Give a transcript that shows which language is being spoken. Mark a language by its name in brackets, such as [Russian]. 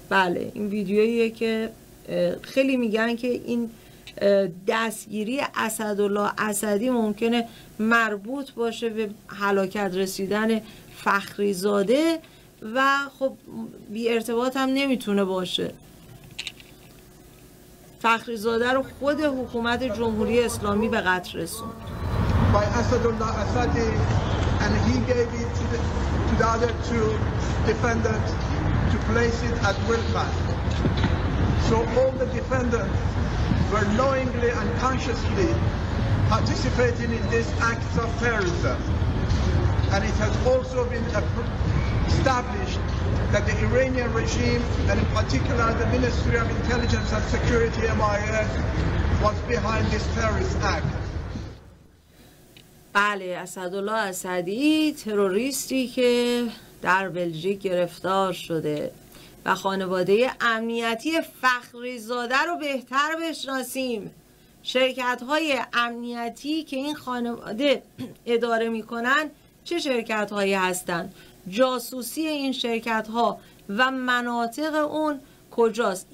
[Persian] بله این ویدیوییه که خیلی میگن که این دستگیری اسدالله اسدی ممکنه مربوط باشه به هلاکت رسیدن فخری زاده و خب بی ارتباط هم نمیتونه باشه. فخری زاده رو خود حکومت جمهوری اسلامی به قتل رسوند. [English] By Asadullah Asadi, and he gave it to the other two defendants to place it at Wilmar. So all the defendants were knowingly and consciously participating in these acts of terrorism. And it has also been established that the Iranian regime, and in particular the Ministry of Intelligence and Security, MIS, was behind this terrorist act. [Persian] بله اسدالله اسدی تروریستی که در بلژیک گرفتار شده و خانواده امنیتی فخری زاده رو بهتر بشناسیم، شرکت‌های امنیتی که این خانواده اداره می‌کنن چه شرکت‌هایی هستن، جاسوسی این شرکت‌ها و مناطق اون کجاست.